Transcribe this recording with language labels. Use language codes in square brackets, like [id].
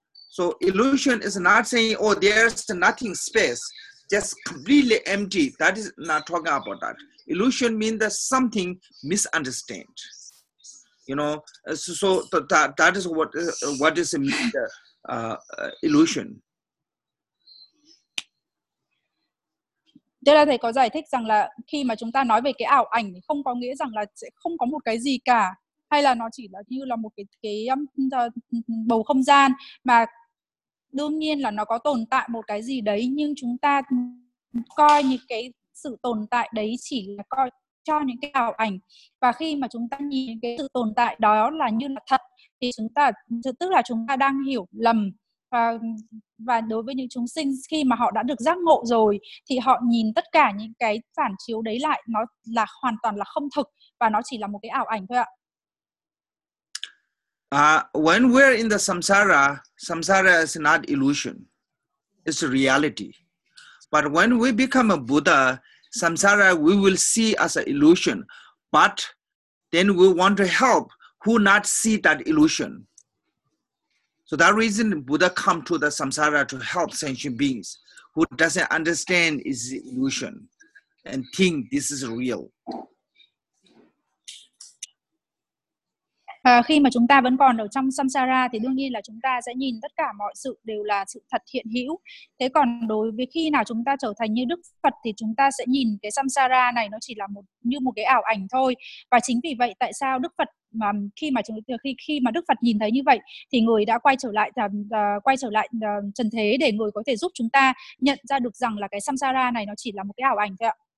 [en] So illusion is not saying, oh, there's nothing space, just completely empty. That is not talking about that. Illusion means that something misunderstood. You know, so that is what is the illusion. [vi] Đây là thầy có giải thích rằng là khi mà chúng ta nói về cái ảo ảnh thì không có nghĩa rằng là sẽ không có một cái gì cả, hay là nó chỉ là như là một cái bầu không gian, mà đương nhiên là nó có tồn tại một cái gì đấy, nhưng chúng ta coi những cái sự tồn tại đấy chỉ là coi cho những cái ảo ảnh, và khi mà chúng ta nhìn cái sự tồn tại đó là như là thật thì chúng ta, tức là chúng ta đang hiểu lầm. Và đối với những chúng sinh khi mà họ đã được giác ngộ rồi thì họ nhìn tất cả những cái phản chiếu đấy lại, nó là hoàn toàn là không thực và nó chỉ là một cái ảo ảnh thôi ạ. [en] When we're in the samsara, samsara is not illusion, it's a reality. But when we become a Buddha, samsara we will see as an illusion, but then we want to help who not see that illusion. So that reason Buddha come to the samsara to help sentient beings who doesn't understand is illusion and think this is real. [vi] Khi mà chúng ta vẫn còn ở trong samsara thì đương nhiên là chúng ta sẽ nhìn tất cả mọi sự đều là sự thật hiện hữu. Thế còn đối với khi nào chúng ta trở thành như Đức Phật thì chúng ta sẽ nhìn cái samsara này nó chỉ là một như một cái ảo ảnh thôi. Và chính vì vậy tại sao Đức Phật mà khi mà Đức Phật nhìn thấy như vậy thì người đã quay trở lại trần thế để người có thể giúp chúng ta nhận ra được rằng là cái samsara này nó chỉ là một cái ảo ảnh thôi ạ.